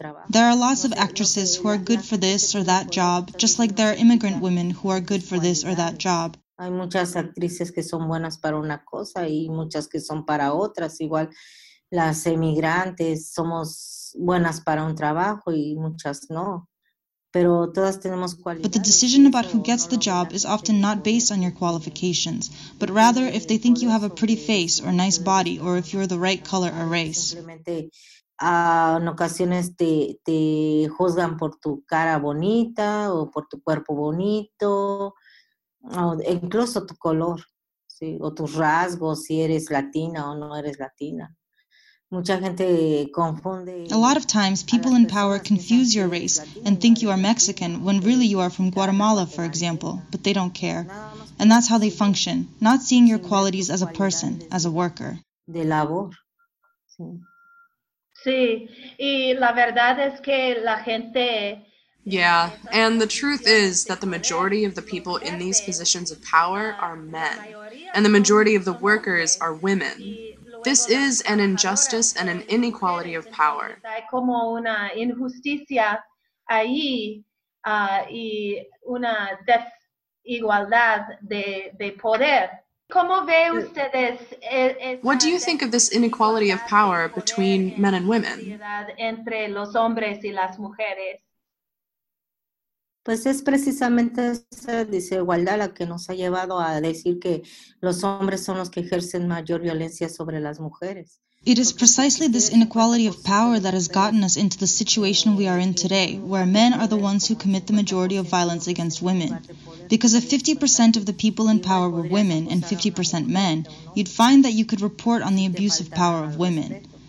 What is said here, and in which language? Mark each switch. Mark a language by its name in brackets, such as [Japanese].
[English] There are lots of actresses who are good for this or that job, just like there are immigrant women who are good for this or that job. [Spanish] Hay muchas actrices que son buenas para una cosa y muchas que son para otras. Igual las emigrantes somos buenas para un trabajo y muchas no. Pero todas tenemos cualidades. [English] But the decision about who gets the job is often not based on your qualifications, but rather if they think you have a pretty face or nice body or if you're the right color or race. [Spanish] Simplemente en ocasiones te juzgan por tu cara bonita o por tu cuerpo bonito, o incluso tu color, ¿sí? O tus rasgos, si eres latina o no eres latina. [English] A lot of times, people in power confuse your race and think you are Mexican when really you are from Guatemala, for example, but they don't care. And that's how they function, not seeing your qualities as a person, as a worker. [Spanish] De labor. Sí, y la verdad es que la gente... [English] Yeah, and the truth is that the majority of the people in these positions of power are men, and the majority of the workers are women. This is an injustice and an inequality of power. [Spanish] Hay como una injusticia ahí y una desigualdad de poder. ¿Cómo ve ustedes? [English] What do you think of this inequality of power between men and women? [Spanish] Entre los hombres y las mujeres. Pues es precisamente esa desigualdad la que nos ha llevado a decir que los hombres son los que ejercen mayor violencia sobre las mujeres. [English] It is precisely this inequality of power that has gotten us into the situation we are in today, where men are the ones who commit the majority of violence against women. Because if 50% of the people in power were women and 50% men, you'd find that you could report on the abuse of power of women.